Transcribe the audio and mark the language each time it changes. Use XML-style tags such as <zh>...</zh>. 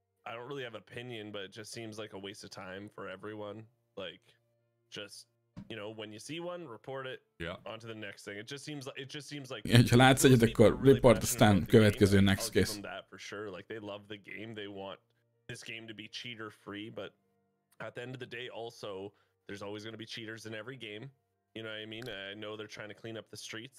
<en>I don't really have an opinion, but it just seems like a waste of time for everyone. Like, just, you know, when you see one, report it. Yeah. Onto the next thing. It just seems like.</en> <hu>Ha látsz egyet, akkor report, aztán következő</hu> <en>next case. That for sure. Like, they love the game. They want this game to be cheater free. But at the end of the day, also, there's always going to be cheaters in every game. You know what I mean? I know they're trying to clean up the streets.</en>